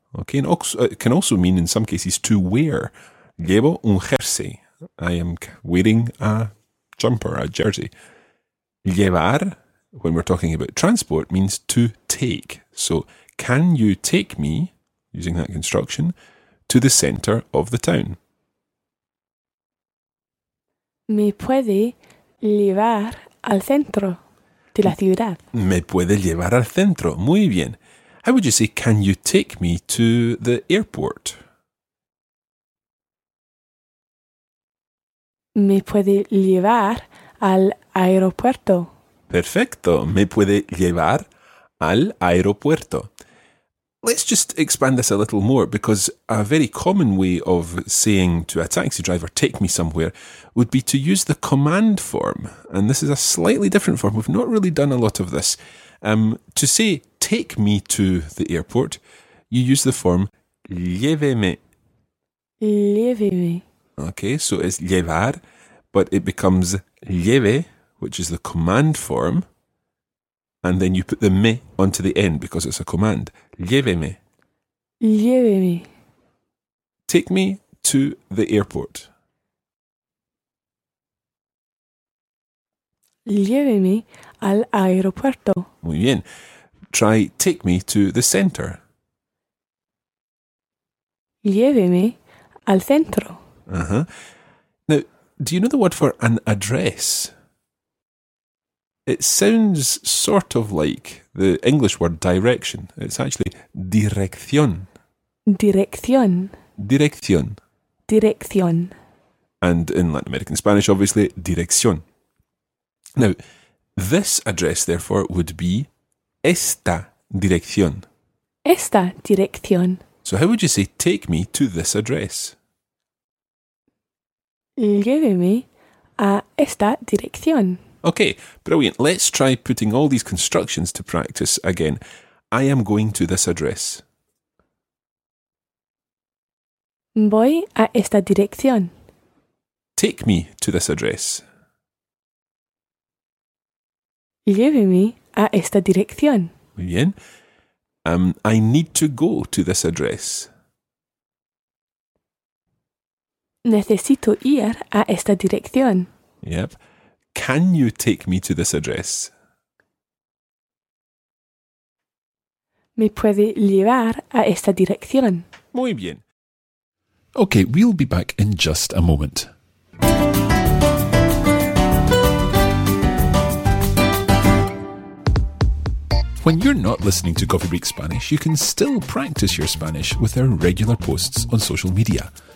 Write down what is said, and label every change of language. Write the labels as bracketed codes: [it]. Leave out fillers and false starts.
[en] Okay, and also, it can also mean, in some cases, to wear. [es] Llevo un jersey. [en] I am wearing a jumper, a jersey. Llevar, when we're talking about transport, means to take. So, can you take me, using that construction, to the centre of the town? [es] Me puede llevar al centro de la ciudad. Me puede llevar al centro. Muy bien. [en] How would you say, can you take me to the airport? [es] Me puede llevar al aeropuerto. Perfecto. Me puede llevar al aeropuerto. [en] Let's just expand this a little more, because a very common way of saying to a taxi driver, take me somewhere, would be to use the command form. And this is a slightly different form. We've not really done a lot of this. To say, take me to the airport, you use the form lléveme. [es] Lléveme. [en] Okay, so it's llevar, but it becomes lleve, which is the command form, and then you put the me onto the end because it's a command. [es] Lléveme. Lléveme. [en] Take me to the airport. [es] Lléveme al aeropuerto. Muy bien. [en] Try take me to the centre. [es] Lléveme al centro. Uh-huh. [en] Now, do you know the word for an address? It sounds sort of like the English word direction. It's actually dirección. [es] Dirección. Dirección. Dirección. [en] And in Latin American Spanish, obviously, dirección. Now, this address, therefore, would be [es] esta dirección. Esta dirección. [en] So how would you say, take me to this address? [es] Lléveme a esta dirección. [en] Okay, brilliant. Let's try putting all these constructions to practice again. I am going to this address. [es] Voy a esta dirección. [en] Take me to this address. [es] Lléveme a esta dirección. Muy bien. [en] I need to go to this address. [es] Necesito ir a esta dirección. [en] Yep. Can you take me to this address? [es] Me puede llevar a esta dirección. Muy bien. [en] Okay, we'll be back in just a moment. When you're not listening to Coffee Break Spanish, you can still practice your Spanish with our regular posts on social media.